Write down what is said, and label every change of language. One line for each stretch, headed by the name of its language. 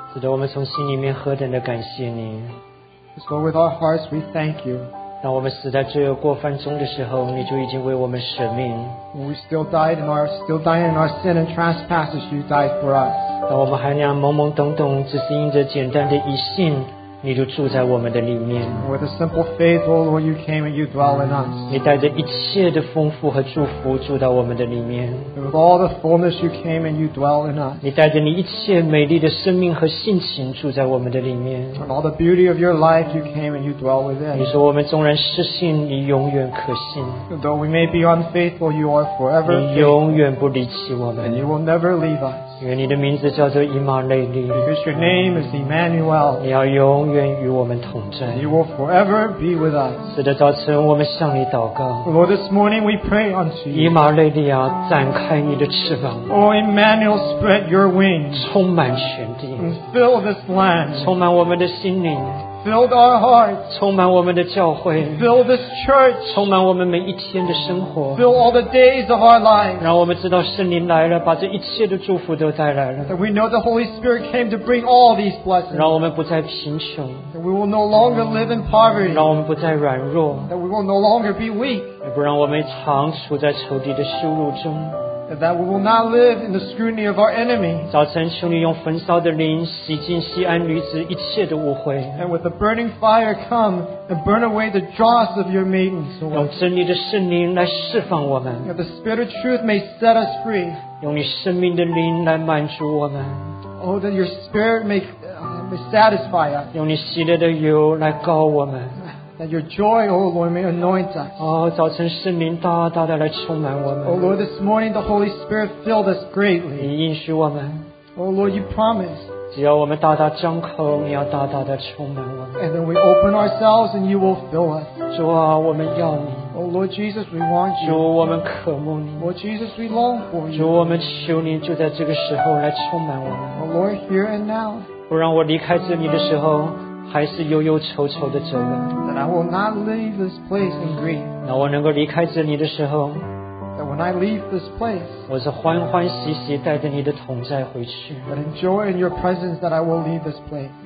Chinese: 我们从心里面何等的感谢你。
English: So with our hearts, we thank you.
Chinese: 当我们死在罪恶过犯中的时候，你就已经为我们舍命。
English: We still died in our sin and trespasses. You died for us.
Chinese: 当我们还那样懵懵懂懂，只是因着简单的一信，你就住在我们的里面。
English: With a simple faith, O Lord, you came and you dwell in us.
Chinese: 你带着一切的丰富和祝福住到我们的里面。
English: With all the fullness, you came and you dwell in us.
Chinese: 你带着你一切美丽的生命和性情住在我们的里面。
English: With all the beauty of your life, you came and you dwell within.
Chinese: 你说我们纵然失信，你永远可信。
English: Though we may be unfaithful, you are forever faithful.
Chinese: 你永远不离弃我们。
English: And you will never leave us.
Chinese: 因为你的名字叫做以马内利。
English: Because your name is Emmanuel.
Chinese: 你要永远与我们同在。
English: You will forever be with us.
Chinese: 是的，早晨我们向你祷告。
English: Lord, this morning we pray unto you.
Chinese: 以马内利啊，展开你的翅膀。
English: Oh, Emmanuel, spread your wings.
Chinese: 充满全地。
English: Fill this land.
Chinese: 充满我们的心灵。
English: Fill our hearts.
Chinese: 充满我们的教会。
English: Fill this church.
Chinese: 充满我们每一天的生活。
English: Fill all the days of our life.
Chinese: 让我们知道圣灵来了，把这一切的祝福都带来了。
English: That we know the Holy Spirit came to bring all these blessings.
Chinese: 让我们不再贫穷。
English: That we will no longer live in poverty.
Chinese: 让我们不再软弱。
English: That we will no longer be weak.
Chinese: 也不让我们常处在仇敌的羞辱中。
English: That we will not live in the scrutiny of our enemy.
Chinese: 早晨，求你用焚烧的灵洗净西安女子一切的污秽。
English: And with the burning fire, come and burn away the dross of your maidens.
Chinese: 用真理的圣灵来释放我们。
English: That the Spirit of Truth may set us free.
Chinese: 用你生命的灵来满足我们。
English: Oh, that your Spirit may satisfy us.
Chinese: 用你喜乐的油来膏我们。
English: That your joy, O Lord, may anoint us.
Chinese: Oh, 早晨圣灵大大的来充满我们。
English: O Lord, this morning the Holy Spirit filled us greatly.
Chinese: 你应许我们。
English: O Lord, you promised.
Chinese: 只要我们大大张口，你要大大的充满我们。
English: And then we open ourselves, and you will fill us.
Chinese: 主啊，我们要你。
English: O Lord Jesus, we want you.
Chinese: 主，我们渴慕你。
English: Lord Jesus, we long for you.
Chinese: 主，我们求你就在这个时候来充满我们。
English: O Lord, here and now.
Chinese: 不让我离开这里的时候。还是忧忧愁愁的走了。
English: That I will not leave this place in grief.
Chinese: 那我能够离开这里的时候。
English: That when I leave this place.
Chinese: 我是欢欢喜喜带着你的同在回去。
English: That in joy in your presence that I will leave this place.